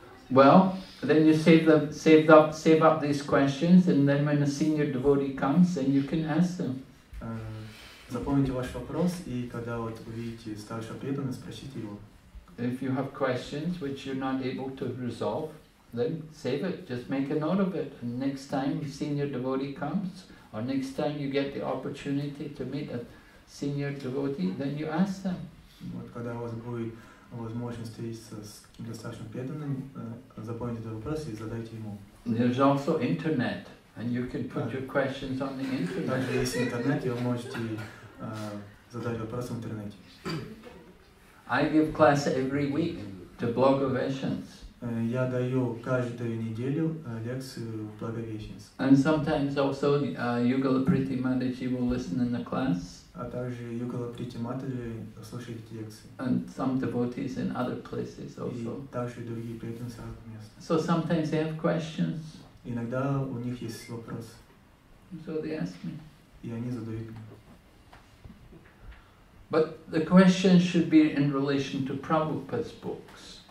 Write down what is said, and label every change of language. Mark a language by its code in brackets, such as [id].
[en] Well, then you save up these questions, and then when a senior devotee comes, then you can ask them. [ru] Запомните ваш вопрос, и когда вот увидите старшего преданного, спросите его. [en] If you have questions which you're not able to resolve, then save it. Just make a note of it. And next time a senior devotee comes, or next time you get the opportunity to meet a senior devotee, then you ask them. [ru] Вот когда у вас будет возможность встретиться с каким-то старшим преданным, запомните этот вопрос и задайте ему. [en] There's also internet, and you can put your questions on the internet. [ru] Также есть интернет, и вы можете задать вопрос в интернете. [en] I give class every week to Благовещенцы. [ru] Я даю каждую неделю лекцию в Благовещенцы. [en] And sometimes also Yugala Priti Mataji will listen in the class. [ru] А также Yugala Priti Mataji слушает эти лекции. [en] And some devotees in other places also. [ru] И также другие преданные с разных мест. [en] So sometimes they have questions. [ru] Иногда у них есть вопрос. [en] So they ask me. [ru] И они задают мне. [en] But the question should be in relation to Prabhupada's books.